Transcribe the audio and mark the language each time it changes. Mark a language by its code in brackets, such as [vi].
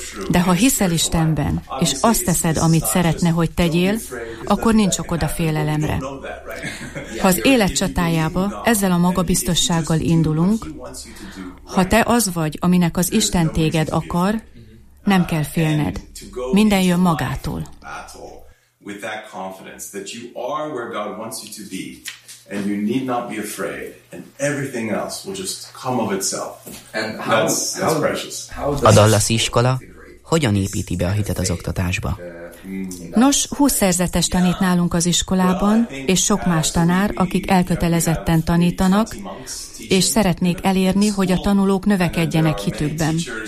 [hu] De ha hiszel Istenben, és azt teszed, amit szeretne, hogy tegyél, akkor nincs okod a félelemre. Ha az élet csatájába ezzel a magabiztossággal indulunk, ha te az vagy, aminek az Isten téged akar, nem kell félned. Minden jön magától. [en] With that confidence that you are where God wants you to be and you need not be afraid and everything else will just come of itself. And that's precious. [hu] A Dallasi iskola hogyan építi be a hitet az oktatásba? Nos, 20 szerzetes tanít nálunk az iskolában, és sok más tanár, akik elkötelezetten tanítanak, és szeretnék elérni, hogy a tanulók növekedjenek hitükben.